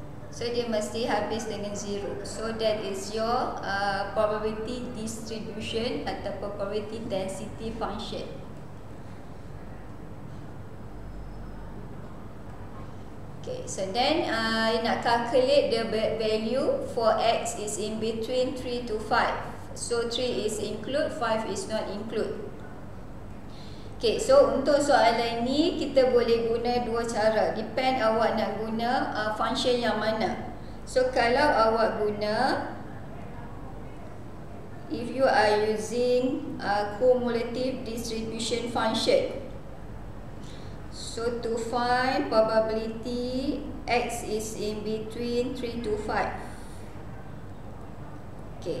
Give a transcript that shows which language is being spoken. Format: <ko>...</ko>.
<ms>So dia mesti habis dengan 0.</ms> <en>So that is your probability distribution atau probability density function. Okay, so then you nak calculate the value for x is in between 3 to 5. So 3 is include, 5 is not include.</en> <ms>Okay, so untuk soalan ni kita boleh guna dua cara. Depend awak nak guna function yang mana.</ms> <en>So</en> <ms>kalau awak guna,</ms> <en>if you are using cumulative distribution function, so to find probability x is in between 3 to 5.</en>